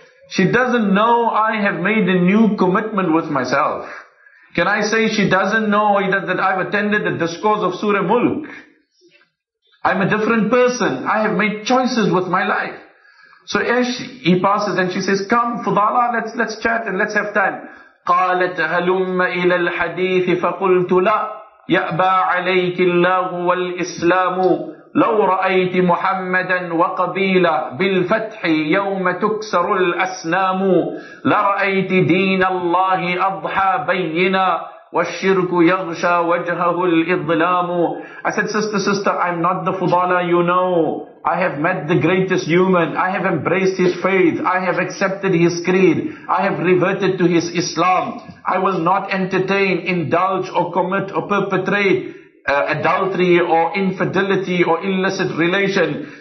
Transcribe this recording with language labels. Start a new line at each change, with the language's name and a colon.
English: She doesn't know I have made a new commitment with myself. Can I say she doesn't know either that I've attended the discourse of Surah Mulk? I'm a different person. I have made choices with my life. So as he passes and she says, come, Fudala, let's chat and let's have time.
Arabic: قالت هلم إلى الحديث فقلت لا يأبى عليك الله والإسلام لو رأيت محمدا وقبيلة بالفتح يوم تكسر الأسنام لرأيت دين الله أضحى بينا والشرك يغشى وجهه الإظلام.
English: I said, sister, I'm not the Fudala, you know. I have met the greatest human. I have embraced his faith. I have accepted his creed. I have reverted to his Islam. I will not entertain, indulge, or commit, or perpetrate adultery or infidelity or illicit relation.